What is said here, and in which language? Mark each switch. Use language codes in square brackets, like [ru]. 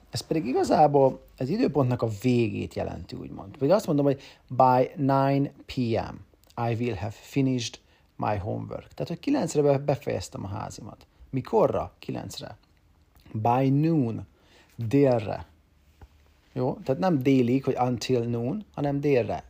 [hu] Ez pedig igazából az időpontnak a végét jelenti, úgymond. Vagy azt mondom, hogy [en] by 9 p.m. I will have finished my homework. [hu] Tehát, hogy 9-re befejeztem a házimat. Mikorra? 9-re. [en] By noon. [hu] Délre. Jó? Tehát nem délig, hogy [en] until noon, [hu] hanem délre.